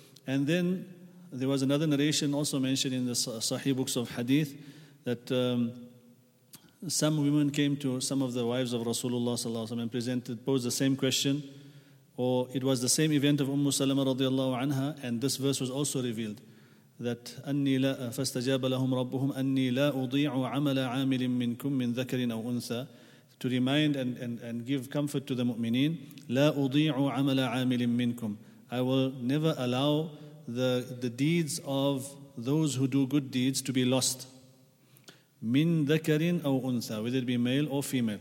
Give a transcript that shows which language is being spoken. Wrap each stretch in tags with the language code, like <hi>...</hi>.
<en>And then there was another narration also mentioned in the Sahih books of Hadith that some women came to some of the wives of Rasulullah sallallahu alaihi wasallam and posed the same question, or it was the same event of Umm Salama radiallahu anha, and this verse was also revealed.</en> <ar>That أني لا فاستجاب لهم ربهم أني لا أضيع عمل عامل منكم من ذكر أو أنثى.</ar> <en>To remind and give comfort to the mu'minin,</en> <ar>لا أضيع عمل عامل منكم.</ar> <en>I will never allow the deeds of those who do good deeds to be lost.</en> <ar>من ذكر أو أنثى,</ar> <en>whether it be male or female.</en>